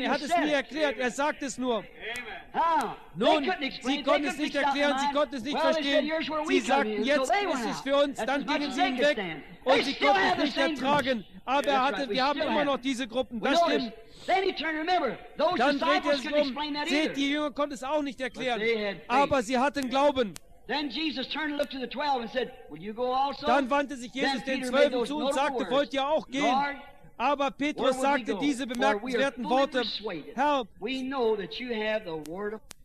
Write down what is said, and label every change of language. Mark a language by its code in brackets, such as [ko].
[de] Er hat es nie erklärt, er sagt es nur. Nun, sie konnten es nicht erklären, sie konnten es nicht verstehen. Sie sagten, jetzt ist es für uns, dann gingen sie hinweg und sie konnten es nicht ertragen. Aber er hatte, wir haben immer noch diese Gruppen, das stimmt. Dann dreht er sich um. Seht, die Jünger konnten es auch nicht erklären, aber sie hatten Glauben. [en] Then Jesus turned and looked to the 12 and said, "Will you go also?" [de] Dann wandte sich Jesus den 12 zu und sagte, wollt ihr auch gehen? Aber Petrus sagte diese bemerkenswerten Worte. Herr, [en] we know that you have the word of.